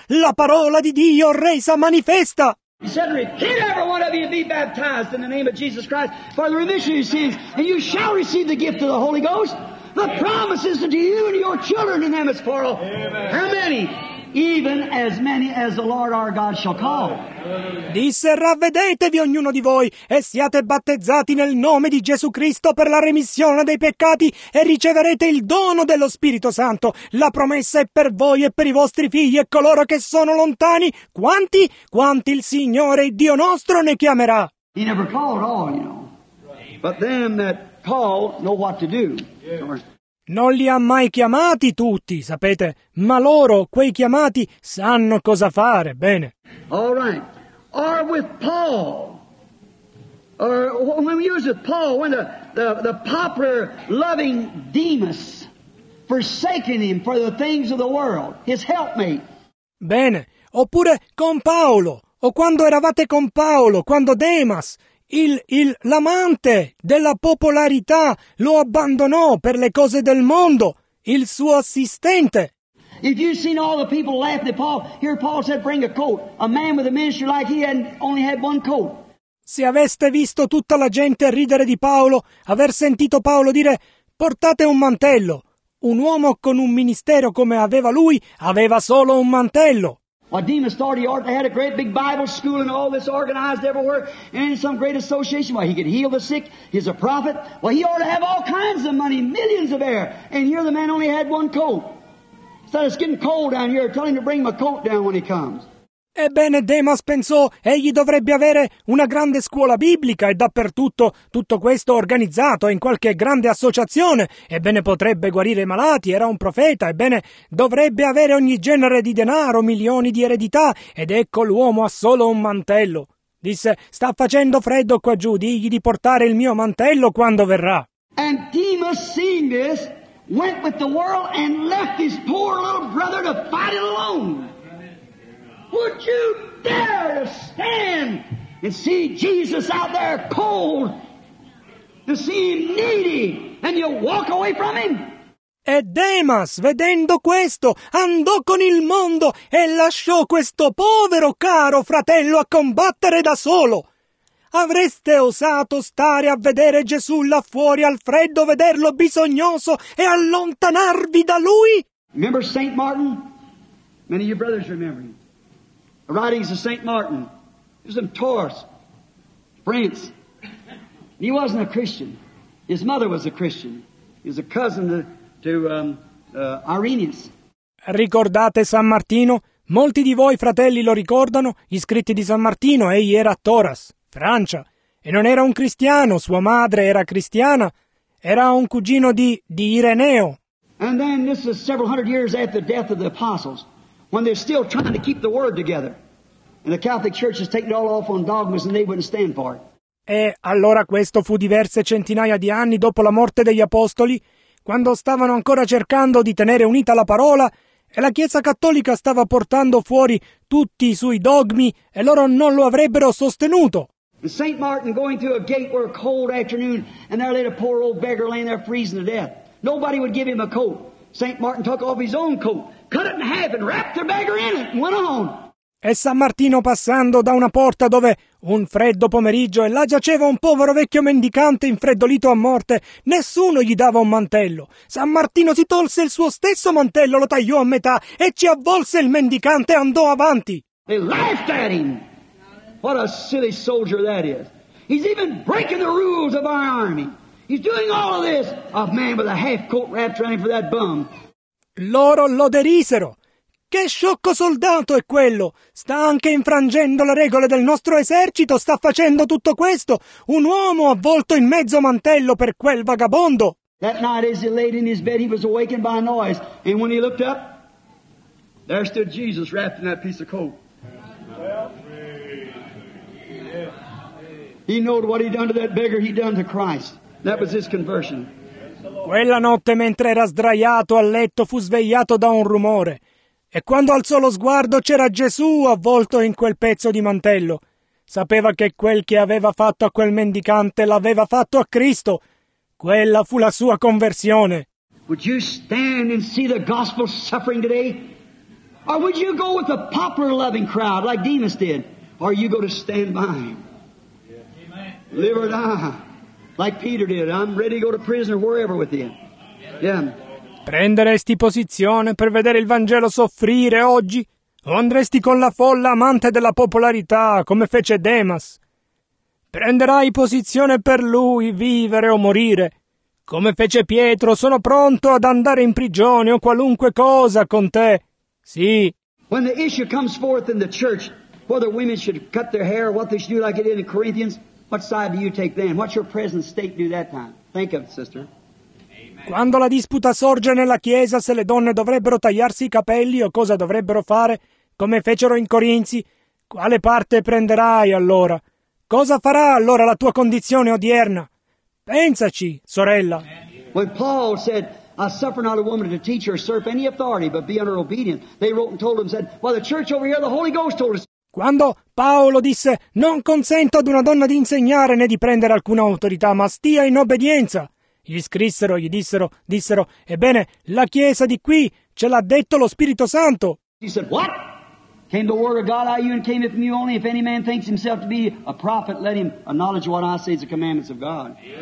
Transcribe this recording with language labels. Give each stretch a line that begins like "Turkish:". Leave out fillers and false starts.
Italian: La parola di Dio resa manifesta.
English: He said to me, can every one of you be baptized in the name of Jesus Christ for the remission of your sins, and you shall receive the gift of the Holy Ghost? The promise is unto you and your children in them is for all. How many? Even as many as the Lord our God shall call.
Italian: Disse, ravvedetevi ognuno di voi e siate battezzati nel nome di Gesù Cristo per la remissione dei peccati e riceverete il dono dello Spirito Santo. La promessa è per voi e per i vostri figli e coloro che sono lontani. Quanti? Quanti il Signore, il Dio nostro, ne chiamerà.
English: He never called all, you know. But them that call know what to do.
Italian: Non li ha mai chiamati tutti, sapete, ma loro, quei chiamati, sanno cosa fare, bene.
English: All right. Or with Paul. Or when we use it, Paul, when the popular loving Demas forsaking him for the things of the world, his helpmate.
Italian: Bene. Oppure con Paolo, o quando eravate con Paolo, quando Demas, l'amante della popolarità, lo abbandonò per le cose del mondo, il suo assistente.
English: If you've seen all the people laughing at Paul, here Paul said, bring a coat. A man with a ministry like he had only had one coat.
Italian: Se aveste visto tutta la gente ridere di Paolo, aver sentito Paolo dire, portate un mantello. Un uomo con un ministero come aveva lui, aveva solo un mantello.
English: Well, Demas thought he ought to have a great big Bible school and all this organized everywhere and in some great association. Well, he could heal the sick. He's a prophet. Well, he ought to have all kinds of money, millions of air. And here the man only had one coat. Instead of it's getting cold down here, tell him to bring my coat down when he comes.
Italian: Ebbene, Demas pensò, egli dovrebbe avere una grande scuola biblica e dappertutto tutto questo organizzato in qualche grande associazione. Ebbene, potrebbe guarire i malati, era un profeta. Ebbene, dovrebbe avere ogni genere di denaro, milioni di eredità. Ed ecco, l'uomo ha solo un mantello. Disse, sta facendo freddo qua giù, digli di portare il mio mantello quando verrà.
English: And Demas seeing this, went with the world and left his poor little brother to fight it alone. Would you dare to stand and see Jesus out there cold, to see him needy, and you walk away from him?
Italian: E Demas, vedendo questo, andò con il mondo e lasciò questo povero caro fratello a combattere da solo. Avreste osato stare a vedere Gesù là fuori al freddo, vederlo bisognoso e allontanarvi da lui?
English: Remember Saint Martin? Many of your brothers remember him. Writings of St. Martin. He was in Tours, France. He wasn't a Christian. His mother was a Christian. He was a cousin to Irenaeus.
Italian: Ricordate San Martino? Molti di voi, fratelli, lo ricordano. Gli scritti di San Martino, egli era a Tours, Francia. E non era un cristiano. Sua madre era cristiana. Era un cugino di Ireneo.
English: And then this is several hundred years after the death of the apostles, when they're still trying to keep the word together. And the Catholic Church has taken it all off on dogmas and they wouldn't stand for it.
Italian: E allora questo fu diverse centinaia di anni dopo la morte degli apostoli, quando stavano ancora cercando di tenere unita la parola e la Chiesa Cattolica stava portando fuori tutti i suoi dogmi e loro non lo avrebbero sostenuto.
English: St. Martin going through a gate where a cold afternoon and there laid a poor old beggar laying there freezing to death. Nobody would give him a coat. St. Martin took off his own coat, cut it in half and wrapped the beggar in it and went on.
Italian: E San Martino passando da una porta dove un freddo pomeriggio e là giaceva un povero vecchio mendicante infreddolito a morte, nessuno gli dava un mantello. San Martino si tolse il suo stesso mantello, lo tagliò a metà e ci avvolse il mendicante e andò avanti.
English: They laughed at him. What a silly soldier that is. He's even breaking the rules of our army. He's doing all of this. A man with a half coat wrapped around him for that bum.
Italian: Loro lo derisero. Che sciocco soldato è quello! Sta anche infrangendo le regole del nostro esercito, sta facendo tutto questo! Un uomo avvolto in mezzo mantello per quel vagabondo!
English: That night as he laid in his bed he was awakened by a noise, and when he looked up, there stood Jesus wrapped in that piece of coat. He knowed what he'd done to that beggar, he'd done to Christ. That was his conversion.
Italian: Quella notte mentre era sdraiato a letto fu svegliato da un rumore. E quando alzò lo sguardo c'era Gesù avvolto in quel pezzo di mantello. Sapeva che quel che aveva fatto a quel mendicante l'aveva fatto a Cristo. Quella fu la sua conversione.
English: Would you stand and see the gospel suffering today? Or would you go with the popular loving crowd like Demas did? Or are you going to stand by him? Live or die, like Peter did. I'm ready to go to prison or wherever with him. Yeah.
Italian: Prenderesti posizione per vedere il Vangelo soffrire oggi? O andresti con la folla amante della popolarità, come fece Demas? Prenderai posizione per lui, vivere o morire? Come fece Pietro, sono pronto ad andare in prigione o qualunque cosa con te. Sì.
English: When the issue comes forth in the church, whether women should cut their hair or what they should do like it did in Corinthians, what side do you take then? What's your present state do that time? Think of it, sister.
Italian: Quando la disputa sorge nella Chiesa se le donne dovrebbero tagliarsi i capelli o cosa dovrebbero fare, come fecero in Corinzi, quale parte prenderai allora? Cosa farà allora la tua condizione odierna? Pensaci, sorella.
English: When Paul said, I suffer not a woman to teach or serve any authority, but be under obedience, they wrote and told him, said, well, the church over here, the Holy Ghost told us.
Italian: Quando Paolo disse, non consento ad una donna di insegnare né di prendere alcuna autorità, ma stia in obbedienza. Gli scrissero, gli dissero, ebbene, la Chiesa di qui ce l'ha detto lo Spirito Santo.
English: He said, what? Came the word of God out of you and came from you only if any man thinks himself to be a prophet, let him acknowledge what I say is the commandments of God.